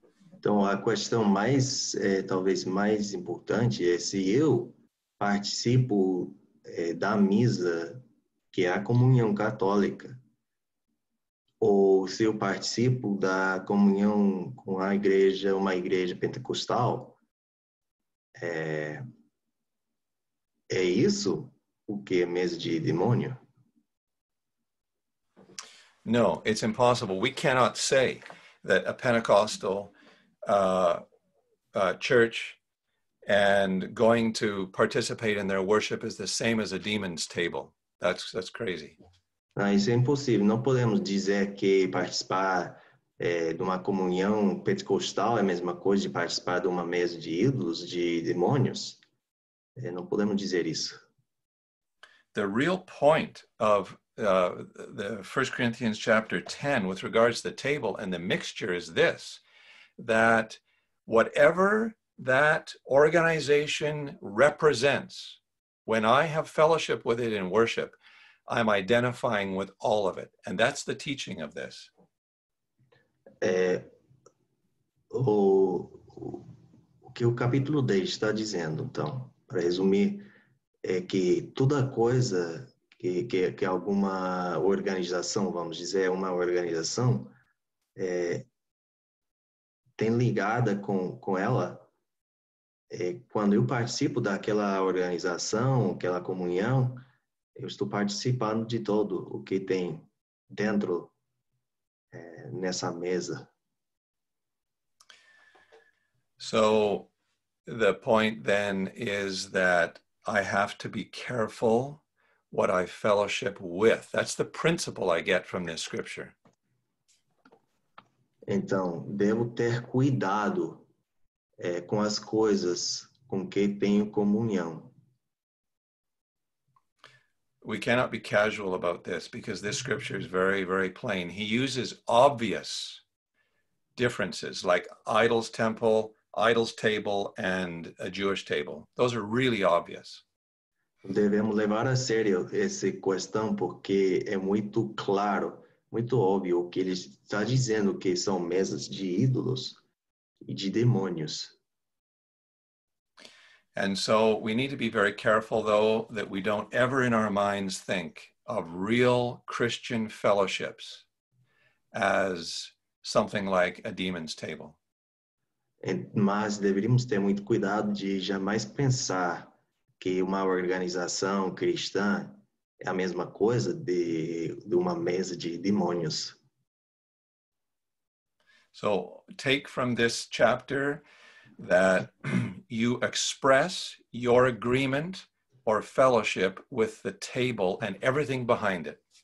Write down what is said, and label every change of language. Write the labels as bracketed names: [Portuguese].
[Portuguese] Então, a questão mais, talvez mais importante é se eu participo da misa, que é a comunhão católica, ou se eu participo da comunhão com a igreja, uma igreja pentecostal, é isso o que é mesa de demônio? [English] No, it's impossible. We cannot say that a Pentecostal church and going to participate in their worship is the same as a demon's table. That's crazy. [Portuguese] Não, isso é impossível. Não podemos dizer que participar de uma comunhão pentecostal é a mesma coisa de participar de uma mesa de ídolos, de demônios. Não podemos dizer isso. [English] The real point of the 1 Corinthians chapter 10 with regards to the table and the mixture is this: that whatever that organization represents, when I have fellowship with it in worship, I'm identifying with all of it. And that's the teaching of this. [Portuguese] O que o capítulo 10 está dizendo, então, para resumir, é que toda coisa que alguma organização, vamos dizer, uma organização, tem ligada com ela, quando eu participo daquela organização, aquela comunhão, eu estou participando de todo o que tem dentro, nessa mesa. [English] So, the point then is that I have to be careful what I fellowship with. That's the principle I get from this scripture. [Portuguese] Então, devo ter cuidado com as coisas com que tenho comunhão. [English] We cannot be casual about this because this scripture is very, very plain. He uses obvious differences like idols temple, idols table and a Jewish table. Those are really obvious. [Portuguese] Devemos levar a sério essa questão porque é muito claro. Muito óbvio o que ele está dizendo, que são mesas de ídolos e de demônios. [English] And so we need to be very careful, though, that we don't ever in our minds think of real Christian fellowships as something like a demon's table. [Portuguese] Mas deveríamos ter muito cuidado de jamais pensar que uma organização cristã é a mesma coisa de uma mesa de demônios. [English] So, take from this chapter that you express your agreement or fellowship with the table and everything behind it.